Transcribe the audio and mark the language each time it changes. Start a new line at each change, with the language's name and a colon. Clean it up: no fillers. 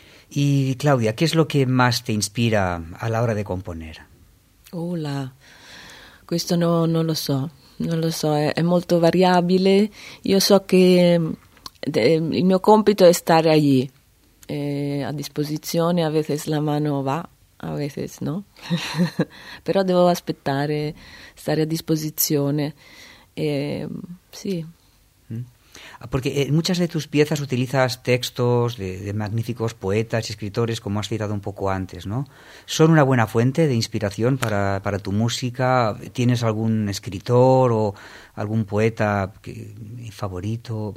Spanish: Y Claudia, ¿qué es lo que más te inspira a la hora de componer?
Italian: Hola, questo non lo so, non lo so, è molto variabile. Io so che il mio compito è stare lì, a disposizione,
Spanish: a veces la mano va, a veces no.
Italian: Però devo aspettare, stare a disposizione, sì.
Spanish: Porque en muchas de tus piezas utilizas textos de magníficos poetas y escritores, como has citado un poco antes, ¿no? ¿Son una buena fuente de inspiración para tu música? ¿Tienes algún escritor o algún poeta favorito?